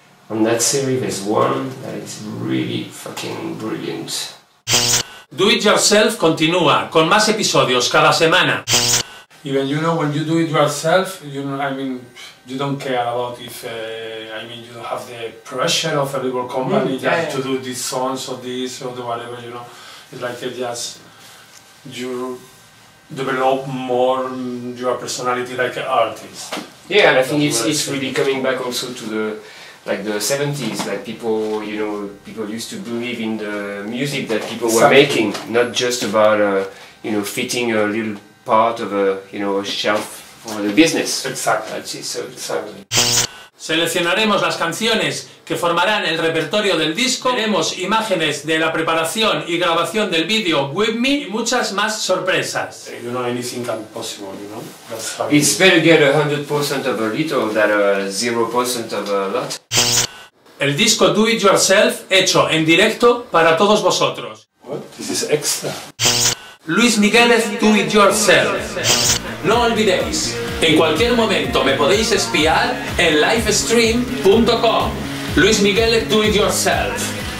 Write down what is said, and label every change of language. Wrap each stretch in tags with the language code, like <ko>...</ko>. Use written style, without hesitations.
<en>On that series there's one that is really fucking brilliant.</en> <es>Do It Yourself continúa con más episodios cada semana.</es> <en>Even you know when you do it yourself, you know, I mean, you don't care about if I mean you don't have the pressure of a label company to do these songs or this or the whatever, you know. It's like it just you develop more your personality like an artist. Yeah, and I think it's really coming back also to the like the 70s, like people, you know, people used to believe in the music that people were making, not just about you know, fitting a little part of a, you know, a shelf for the business. Exactly.</en> <es>Seleccionaremos las canciones que formarán el repertorio del disco. Veremos imágenes de la preparación y grabación del vídeo With Me y muchas más sorpresas.</es> <en>You know, anything can possible, you know? That's how it's better get 100% of a little than a 0% of a lot.</en> <es>El disco Do It Yourself hecho en directo para todos vosotros.</es> <en>What? This is extra. Luis Miguel's Do It Yourself.</en> <es>No olvidéis, en cualquier momento me podéis espiar en livestream.com. Luis Miguel's Do It Yourself.</es>